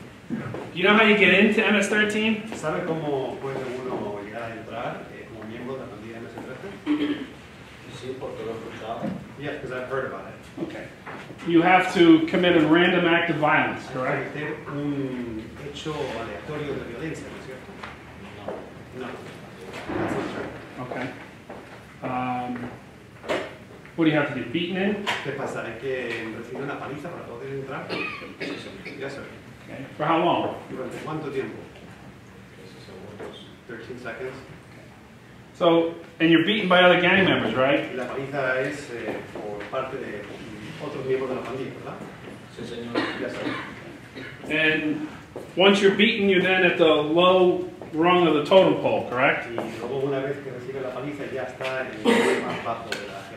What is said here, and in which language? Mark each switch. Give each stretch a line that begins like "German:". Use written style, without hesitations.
English: Do you know how you get into MS-13?
Spanish: ¿Sabe cómo puede uno llegar a entrar como miembro de la pandilla MS-13? Sí, porque lo he escuchado.
English: Yes, because I've heard about it. Okay. You have to commit a random act of violence, correct?
Spanish: Hay que tener un hecho aleatorio de violencia, ¿no es cierto? No.
English: No. That's not true. Okay. What do you have to be beaten in?
Spanish: ¿Qué pasa? ¿Hay que recibir una paliza para poder entrar?
English: Yes, sir. Okay. For how long?
Spanish: ¿Durante cuánto tiempo?
English: 13 seconds. Okay. So, and you're beaten by other gang members, right?
Spanish: La paliza es por parte de otros miembros de la pandilla, ¿verdad? Sí, señor.
English: Yes, sir. And once you're beaten, you're then at the low rung of the totem pole, correct?
Spanish: Y luego una vez que recibe la paliza, ya está en el nivel más bajo de la.